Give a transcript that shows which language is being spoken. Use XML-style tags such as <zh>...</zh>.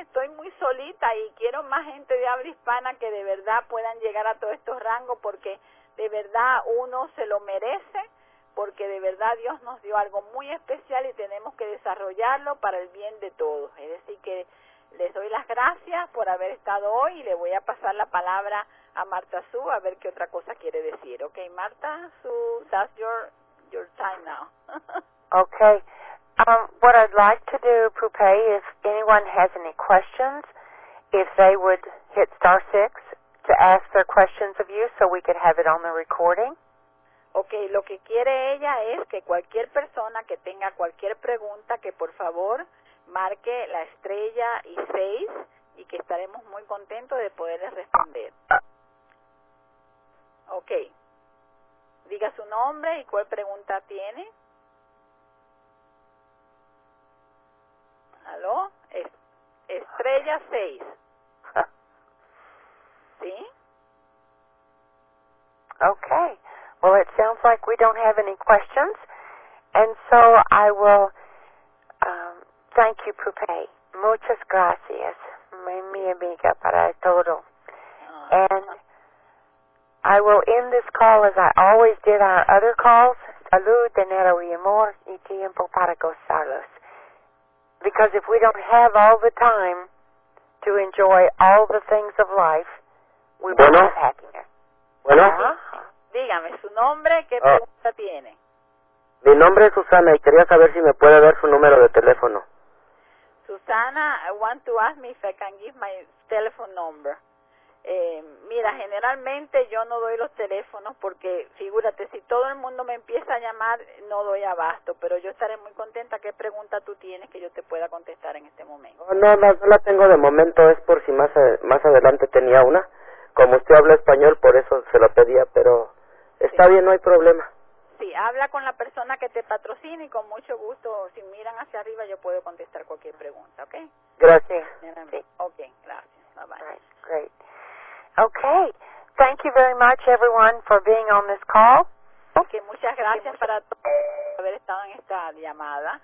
<es>Estoy muy solita y quiero más gente de habla hispana que de verdad puedan llegar a todos estos rangos, porque de verdad uno se lo merece, porque de verdad Dios nos dio algo muy especial y tenemos que desarrollarlo para el bien de todos. Es decir, que les doy las gracias por haber estado hoy y le voy a pasar la palabra a Marta Su a ver qué otra cosa quiere decir.</es> <en>Okay, Marta Su, that's your time now. Okay. What I'd like to do, Pupé, if anyone has any questions, if they would hit *6 to ask their questions of you so we could have it on the recording.</en> <es>Okay, lo que quiere ella es que cualquier persona que tenga cualquier pregunta, que por favor marque la estrella y 6 y que estaremos muy contentos de poderles responder. Okay. Diga su nombre y cuál pregunta tiene. ¿Aló? Estrella 6. ¿Sí? Okay.</es> <en>Well, it sounds like we don't have any questions, and so I will thank you, Pupay.</en> <es>Muchas gracias, mi amiga, para todo.</es> <en>And I will end this call as I always did on other calls.</en> <es>Salud, dinero y amor, y tiempo para gozarlos.</es> <en>Because if we don't have all the time to enjoy all the things of life, we won't have happiness.</en> <es>Bueno. Dígame, ¿su nombre? ¿Qué pregunta tiene? Mi nombre es Susana y quería saber si me puede dar su número de teléfono.</es> <en>Susana, I want to ask me if I can give my telephone number.</en> <es>Mira, generalmente yo no doy los teléfonos porque, figúrate, si todo el mundo me empieza a llamar, no doy abasto, pero yo estaré muy contenta. ¿Qué pregunta tú tienes que yo te pueda contestar en este momento? No la tengo de momento, es por si más adelante tenía una. Como usted habla español, por eso se lo pedía, pero está bien, no hay problema. Sí, habla con la persona que te patrocina y con mucho gusto, si miran hacia arriba, yo puedo contestar cualquier pregunta, ¿ok? Gracias. Ok, gracias.</es> <en>Bye-bye. Great. Okay. Thank you very much, everyone, for being on this call.</en> <es>Ok, muchas gracias para todos haber estado en esta llamada.</es>